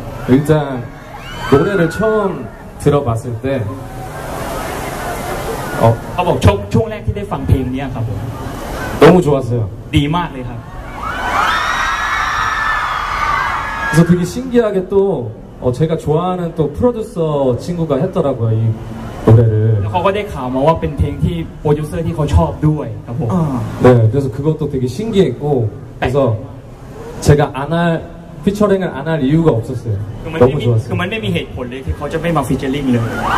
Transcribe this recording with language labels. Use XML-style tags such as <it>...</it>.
<ko>일단노래를처음들어봤을때</ko> <th>เขาบอกช่วงแรกที่ได้ฟังเพลงนี้ครับผม</th> <ko>너무좋았어요</ko> <th>ดีมากเลยครับ</th> <ko>그래서되게신기하게또제가좋아하는또프로듀서친구가했더라고요이노래를</ko> <th>เขาก็ได้ข่าวมาว่าเป็นเพลงที่โปรดิวเซอร์ที่เขาชอบด้วยครับผม</th> <ko>네그래서그것도되게신기했고그래서제가안할피처링을안할이유가없었어요너무좋았어요 그만내미해볼래그거좀해막피처링이런거</ko>